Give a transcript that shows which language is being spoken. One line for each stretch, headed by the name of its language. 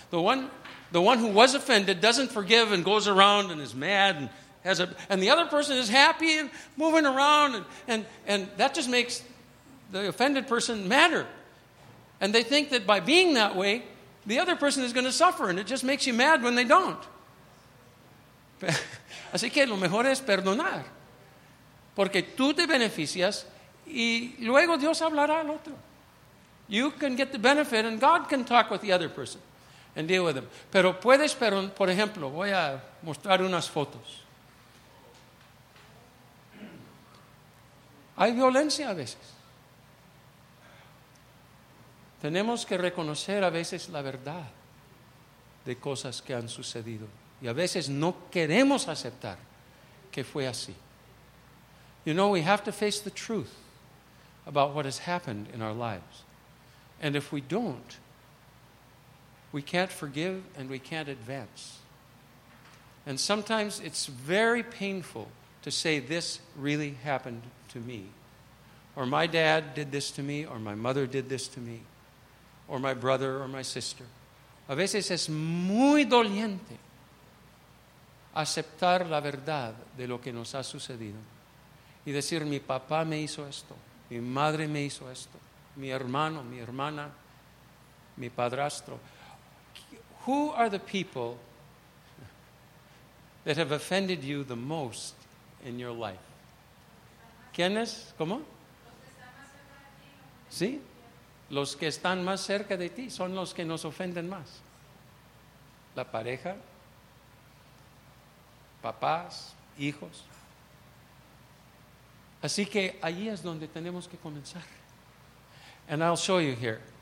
English: The one who was offended doesn't forgive and goes around and is mad and has a, and the other person is happy and moving around and that just makes the offended person madder. And they think that by being that way, the other person is going to suffer, and it just makes you mad when they don't.
Spanish: Así que lo mejor es perdonar. Porque tú te beneficias y luego Dios hablará al otro.
English: You can get the benefit and God can talk with the other person. And deal with them.
Spanish: Pero puedes, por ejemplo, voy a mostrar unas fotos. Hay violencia a veces. Tenemos que reconocer a veces la verdad de cosas que han sucedido. Y a veces no queremos aceptar que fue así.
English: You know, we have to face the truth about what has happened in our lives. And if we don't, we can't forgive and we can't advance. And sometimes it's very painful to say this really happened to me. Or my dad did this to me, or my mother did this to me, or my brother or my sister.
Spanish: A veces es muy doliente aceptar la verdad de lo que nos ha sucedido y decir mi papá me hizo esto, mi madre me hizo esto, mi hermano, mi hermana, mi padrastro.
English: Who are the people that have offended you the most in your life?
Spanish: ¿Quiénes? ¿Cómo? ¿Sí? Los que están más cerca de ti son los que nos ofenden más. La pareja, papás, hijos. Así que allí es donde tenemos que comenzar.
English: And I'll show you here.